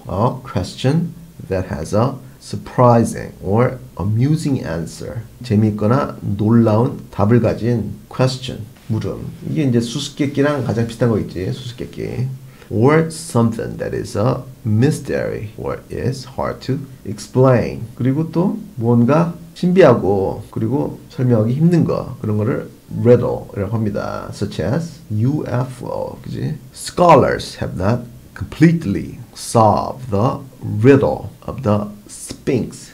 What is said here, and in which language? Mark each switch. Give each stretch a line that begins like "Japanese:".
English: A question that has a surprising or amusing answer.
Korean: 재미있거나 놀라운 답을 가진 question. 물음. 이게 이제 수수께끼랑 가장 비슷한 거겠지. 수수께끼.
English: Or something that is a mystery or is hard to explain.
Korean: 그리고 또 뭔가 신비하고 그리고 설명하기 힘든 거 그런 거를 riddle이라고 합니다.
English: Such as UFO.
Korean: 그지?
English: Scholars have not completely solved the riddle of the Sphinx.